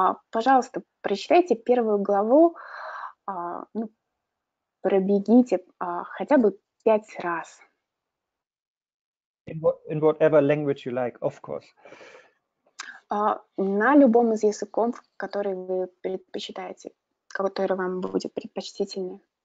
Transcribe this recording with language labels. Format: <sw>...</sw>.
<ru>Пожалуйста, прочитайте первую главу, пробегите хотя бы 5 раз.</ru> <en>In whatever language you like, of course.</en> <ru>На любом из языков, который вы предпочитаете, который вам будет предпочтительнее.</ru>